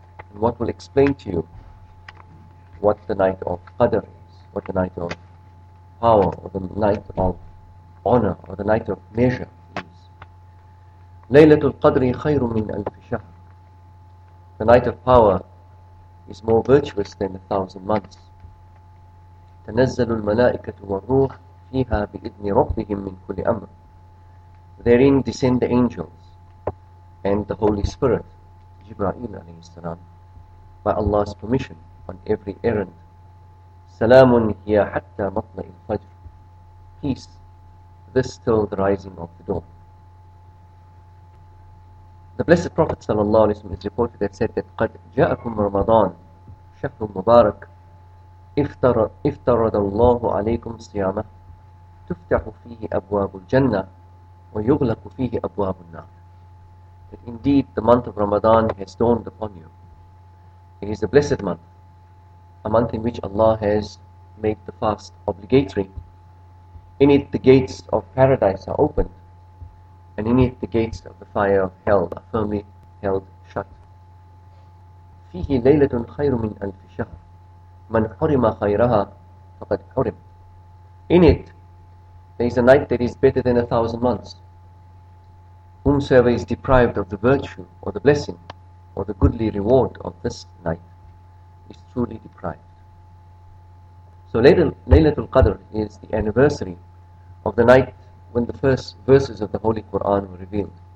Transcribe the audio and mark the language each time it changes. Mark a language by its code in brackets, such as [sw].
[en] And what will explain to you what the night of Qadr is, what the night of power, or the night of honor, or the night of measure is. [ar] لَيْلَةُ الْقَدْرِ خَيْرٌ مِنْ أَلْفِ شَهْرٍ. [en] The night of power is more virtuous than 1,000 months. [ar] تنزل الملائكة والروح فيها بإذن ربهم من كل أمر. [en] Therein descend the angels and the Holy Spirit, Jibra'il alayhi salam, by Allah's permission on every errand. [ar] سلام هي حتى مطلع الفجر. [en] Peace, this till the rising of the dawn. The Blessed Prophet sallallahu alayhi wa sallam is reported that said that [ar] قد جاءكم رمضان شهر مبارك افترض الله عليكم صيامه تفتح فيه أبواب الجنة ويغلق فيه أبواب النار. [en] That indeed the month of Ramadan has dawned upon you. It is a blessed month, a month in which Allah has made the fast obligatory. In it the gates of paradise are opened, and in it the gates of the fire of hell are firmly held shut. [ar] فيه ليلة خير من ألف شهر من حرم خيرها فقد حرم. [en] In it there is a night that is better than 1,000 months. Whomsoever is deprived of the virtue or the blessing or the goodly reward of this night is truly deprived. So Laylatul Qadr is the anniversary of the night when the first verses of the Holy Quran were revealed.